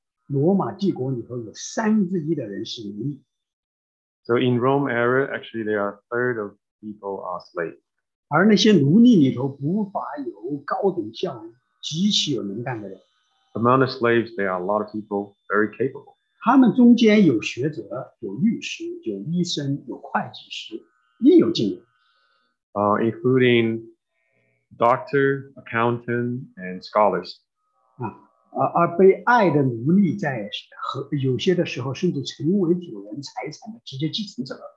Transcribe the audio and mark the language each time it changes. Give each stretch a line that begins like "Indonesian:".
Chinese: 事实上，在主耶稣基督的时代，罗马帝国里头有三分之一的人是奴隶。
English: So in Rome era, actually there are a third of people are slaves.
Chinese: 而那些奴隶里头不乏有高等教育、极其有能干的人。
English: Among the slaves, there are a lot of people very capable.
Chinese: 他们中间有学者、有律师、有医生、有会计师，亦有经理。
English: Including doctor, accountant, and scholars.
Chinese: 而被爱的奴隶在有些的时候甚至成为主人财产的直接继承者。